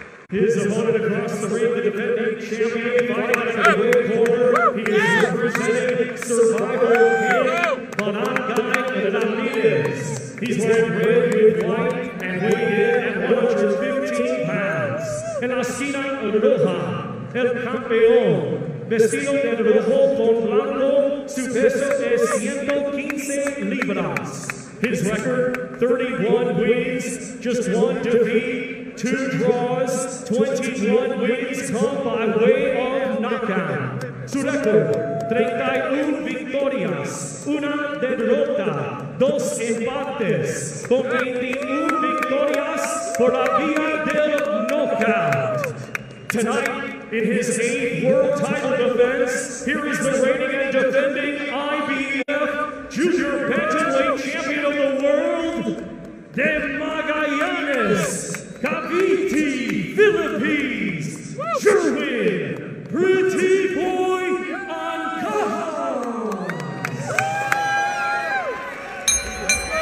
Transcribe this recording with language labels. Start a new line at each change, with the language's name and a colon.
English: His opponent across the ring, the defending champion, fighting at the red corner. He is representing Survival Camp, Panangay Benavides. He's wearing red with white and weighed in at 115 pounds.
Spanish: En la cima roja, el campeón, vestido de rojo con blanco, su peso es 115 libras.
English: His record, 31 wins, just 1 defeat. 2 draws, 21 wins come by way of knockout.
Spanish: Su record, 31 victorias, 1 derrota, 2 empates, con 21 victorias por la vía del knockout.
English: Tonight, in his 8th world title defense, here is the reigning and defending IBF Junior Bantamweight Champion of the World, De Magallanes. Cavite, Philippines, Jerwin, Pretty Boy, Ancajas.